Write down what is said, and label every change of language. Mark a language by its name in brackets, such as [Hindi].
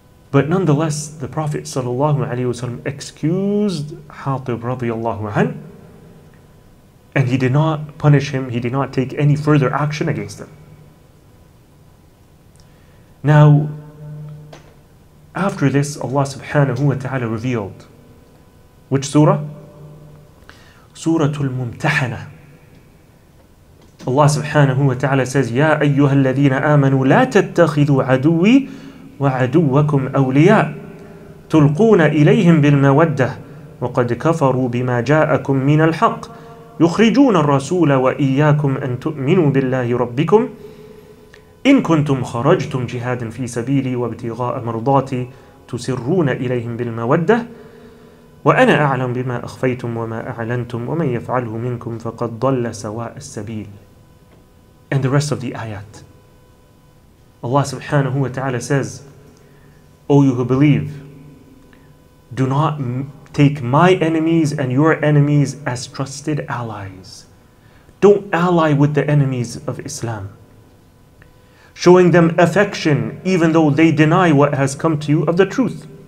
[English] But nonetheless, the Prophet sallallahu alaihi wasallam excused Hatib radiallahu anhu, and he did not punish him, he did not take any further action against him. Now, after this, Allah subhanahu wa ta'ala revealed, which surah? Suratul Mumtahana. [Arabic] Allah subhanahu wa ta'ala says, "Ya ayyuhal ladhina amanu la tattakhidhu aduwi wa aduwakum awliya tulquna ilayhim bil mawaddah wa qad kafaru bima ja'akum min al haqq يخرجون الرسول وإياكم أن تؤمنوا بالله ربكم إن كنتم خرجتم جهادا في سبيلي وابتغاء مرضاتي تسرون إليهم بالمودة وأنا أعلم بما أخفيتم وما أعلنتم ومن يفعله منكم فقد ضل سواء السبيل." [English] And the rest of the ayat. Allah subhanahu wa ta'ala says, "O you who believe, do not take my enemies and your enemies as trusted allies. Don't ally with the enemies of Islam. Showing them affection, even though they deny what has come to you of the truth.